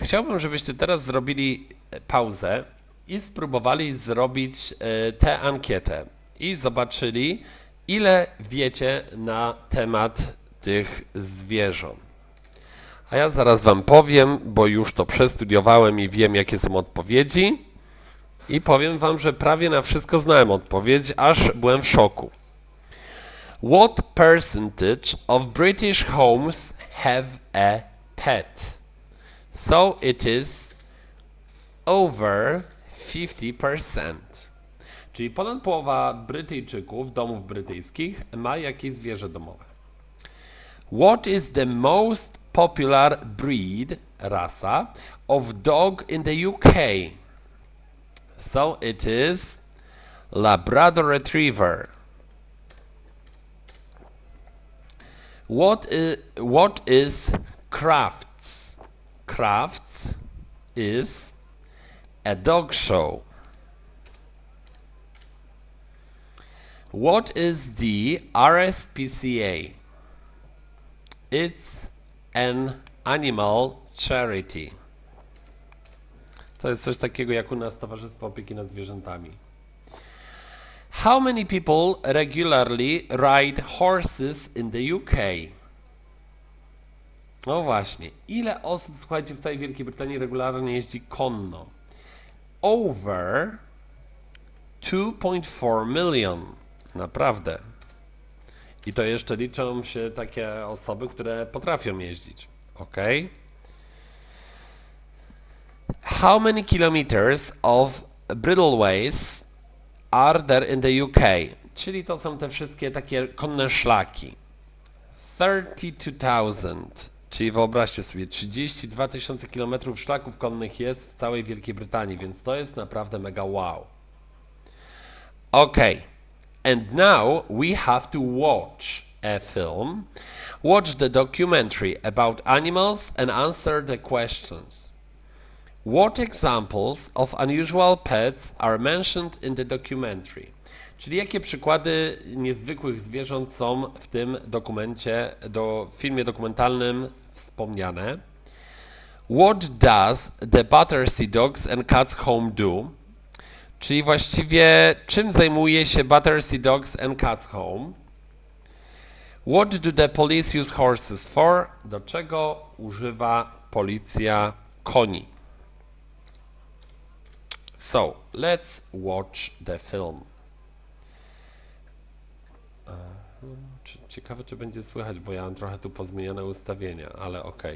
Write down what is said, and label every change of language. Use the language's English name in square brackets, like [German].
[Polish] Chciałbym, żebyście teraz zrobili pauzę i spróbowali zrobić tę ankietę i zobaczyli, ile wiecie na temat tych zwierząt. A ja zaraz wam powiem, bo już to przestudiowałem i wiem, jakie są odpowiedzi. I powiem wam, że prawie na wszystko znałem odpowiedź, aż byłem w szoku. [English] What percentage of British homes have a pet. So it is over 50%. [Polish] Czyli ponad połowa Brytyjczyków, domów brytyjskich, ma jakieś zwierzę domowe. [English] What is the most popular breed rasa of dog in the UK. So it is Labrador Retriever. What is Crafts? Crafts is a dog show. What is the RSPCA? It's an animal charity. [Polish] To jest coś takiego jak u nas Towarzystwo Opieki nad Zwierzętami. [English] How many people regularly ride horses in the UK? [Polish] No właśnie. Ile osób, słuchajcie, w całej Wielkiej Brytanii regularnie jeździ konno? [English] Over 2.4 million. [Polish] Naprawdę. I to jeszcze liczą się takie osoby, które potrafią jeździć. Ok. [English] How many kilometers of bridleways are there in the UK? [Polish] Czyli to są te wszystkie takie konne szlaki. 32,000. Czyli wyobraźcie sobie, 32 tysiące kilometrów szlaków konnych jest w całej Wielkiej Brytanii, więc to jest naprawdę mega wow. Ok. [English] And now we have to watch a film. Watch the documentary about animals and answer the questions. What examples of unusual pets are mentioned in the documentary? [Polish] Czyli jakie przykłady niezwykłych zwierząt są w tym dokumencie, w filmie dokumentalnym wspomniane? [English] What does the Battersea Dogs and Cats Home do? [Polish] Czyli właściwie czym zajmuje się Battersea Dogs and Cats Home? [English] What do the police use horses for? [Polish] Do czego używa policja koni? [English] So, let's watch the film. [Polish] Ciekawe, czy będzie słychać, bo ja mam trochę tu pozmienione ustawienia, ale okej.